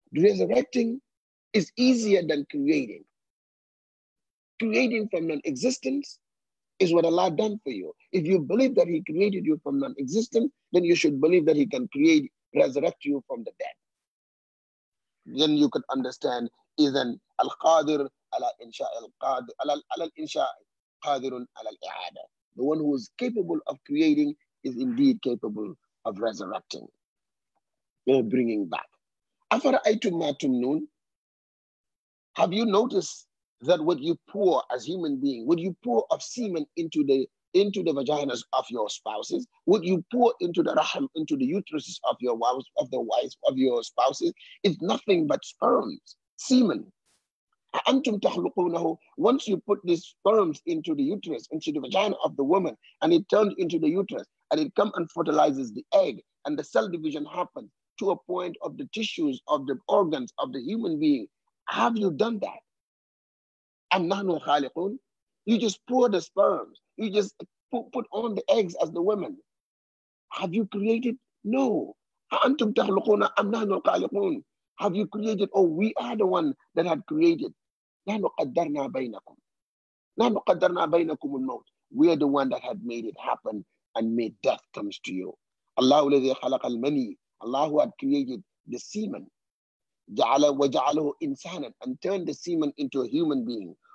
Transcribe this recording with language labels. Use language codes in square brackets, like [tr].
[en] Resurrecting is easier than creating. Creating from non-existence is what Allah done for you. If you believe that he created you from non-existence, then you should believe that he can create, resurrect you from the dead. Then you could understand, [ar] إذن القادر على إنشاء القادر على الإنشاء قادر على الإعادة. [en] The one who is capable of creating is indeed capable of resurrecting, or bringing back. [ar] أَفَرَأَيْتُمْ مَا تُمْنُونَ, [en] have you noticed that what you pour as human being, what you pour of semen into the vaginas of your spouses, what you pour into the rahim, into the uteruses of your wives, of the wives of your spouses, is nothing but sperms, semen. [ar] أَنْتُمْ تَخْلُقُونَهُ, [en] once you put these sperms into the uterus, into the vagina of the woman, and it turned into the uterus, and it comes and fertilizes the egg, and the cell division happens to a point of the tissues, of the organs, of the human being. Have you done that? [ar] أَمْ نَحْنُ الْخَالِقُونَ, [en] you just pour the sperms, you just put on the eggs as the women. Have you created? No. [ar] أنتم تخلقون أم نحن الخالقون. [en] Have you created or we are the one that had created. [ar] نحن قدرنا بينكم. نحن قدرنا بينكم الموت. [en] We are the one that had made it happen and made death comes to you. [ar] الله الذي خلق المني. [en] Allah had created the semen. [ar] جعل وجعله إنسانا [en] and turned the semen into a human being.